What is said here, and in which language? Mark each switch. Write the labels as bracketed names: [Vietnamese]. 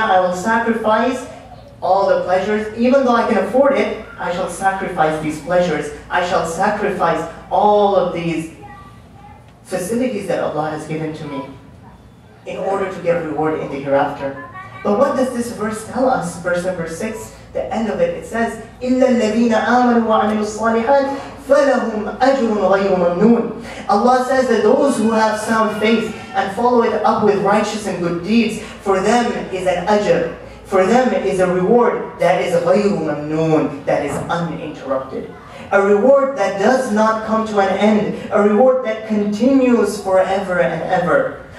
[English] I will sacrifice all the pleasures, even though I can afford it. I shall sacrifice these pleasures. I shall sacrifice all of these facilities that Allah has given to me in order to get reward in the hereafter. But what does this verse tell us? Verse number 6, the end of it, it says, [Arabic] إِلَّا الَّذِينَ آمَنُوا وَعَمِلُوا الصَّالِحَاتِ فَلَهُمْ أَجْرٌ غَيْرُ مَمْنُونَ. [English] Allah says that those who have sound faith and follow it up with righteous and good deeds, for them is an ajr, for them is a reward that is [Arabic] غَيْرُ مَمْنُونَ, [English] that is uninterrupted. A reward that does not come to an end. A reward that continues forever and ever.